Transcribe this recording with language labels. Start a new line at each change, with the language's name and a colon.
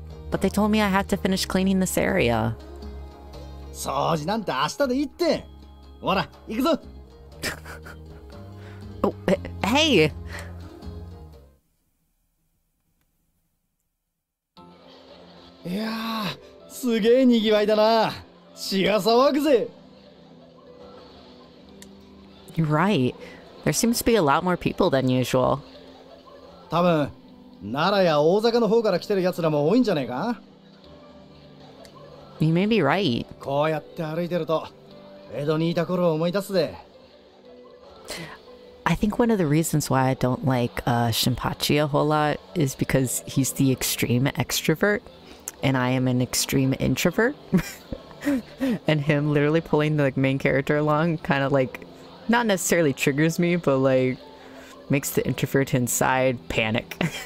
English: But they told me I had to finish cleaning this area.
Japanese: 掃除なんて明日でいいって。ほら、行くぞ。
English: Oh, hey!
Japanese: Yeah, すげえにぎわいだな。血が騒ぐぜ。
English: You're right. There seems to be a lot more people than usual.
Japanese: 多分、奈良や大阪の方から来てる奴らも多いんじゃねえか?
English: You may be right.
Japanese: こうやって歩いてると、江戸にいた頃を思い出すぜ。
English: I think one of the reasons why I don't like Shinpachi a whole lot is because he's the extreme extrovert, and I am an extreme introvert. And him literally pulling the main character along kind of like, not necessarily triggers me, but like, makes the introvert inside panic.